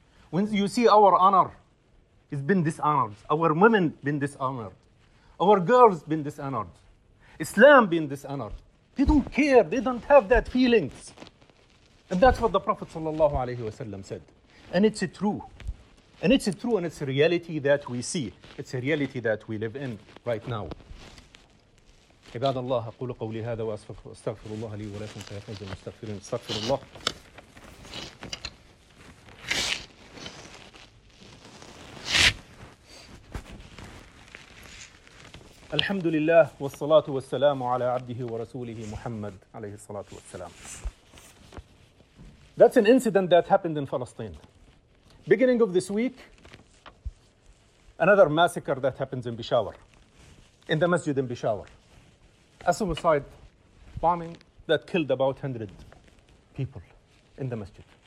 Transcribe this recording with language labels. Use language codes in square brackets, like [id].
[en] When you see our honor has been dishonored, our women been dishonored, our girls been dishonored, Islam been dishonored. They don't care. They don't have that feelings. And that's what the Prophet sallallahu alaihi wasallam said. And it's true. And it's true, and it's a reality that we see. It's a reality that we live in right now. [ar] عباد الله أقول قولي هذا وأستغفر الله لي ولكم فيفوز المستغفرين استغفر الله الحمد لله والصلاة والسلام على عبده ورسوله محمد عليه الصلاة والسلام. [en] That's an incident that happened in Palestine. Beginning of this week, another massacre that happens in Peshawar, in the Masjid in Peshawar. A suicide bombing that killed about 100 people in the masjid.